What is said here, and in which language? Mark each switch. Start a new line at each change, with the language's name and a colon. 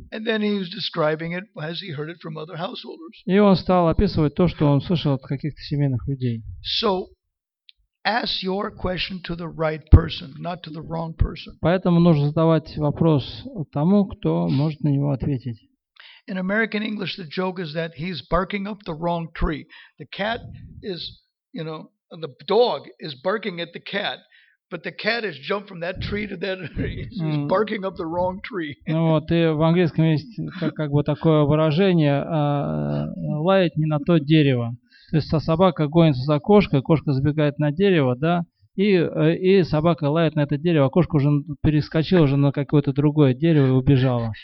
English: And then he was describing it as he heard it from other householders.
Russian: И он стал описывать то, что он слышал от каких-то семейных людей.
English: So, ask your question to the right person, not to the wrong person.
Russian: Поэтому нужно задавать вопрос тому, кто может на него ответить.
English: In American English, the joke is that he's barking up the wrong tree. The cat is, you know, the dog is barking at the cat. But the cat has jumped from that tree to that tree. He's barking up the wrong tree.
Russian: Ну вот, и в английском есть как бы такое выражение «лаять не на то дерево». То есть собака гонится за кошкой, кошка забегает на дерево, да, и собака лает на это дерево, а кошка уже перескочила уже на какое-то другое дерево и убежала.